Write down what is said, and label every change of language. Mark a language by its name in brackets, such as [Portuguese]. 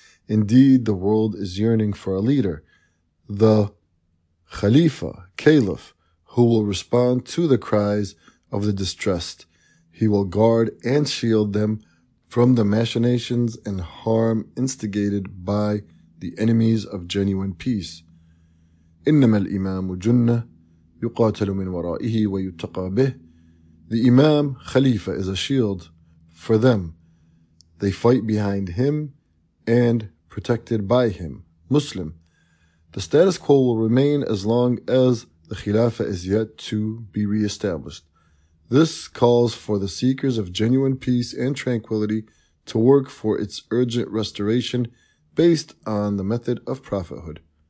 [English] Indeed, the world is yearning for a leader, the Khalifa, Caliph, who will respond to the cries of the distressed. He will guard and shield them from the machinations and harm instigated by the enemies of genuine peace. [Arabic] إنما الإمام جنة يقاتل من ورائه ويتقى به. [English] The Imam, Khalifa, is a shield for them. They fight behind him and protected by him. Muslim. The status quo will remain as long as the Khilafah is yet to be re-established. This calls for the seekers of genuine peace and tranquility to work for its urgent restoration based on the method of prophethood.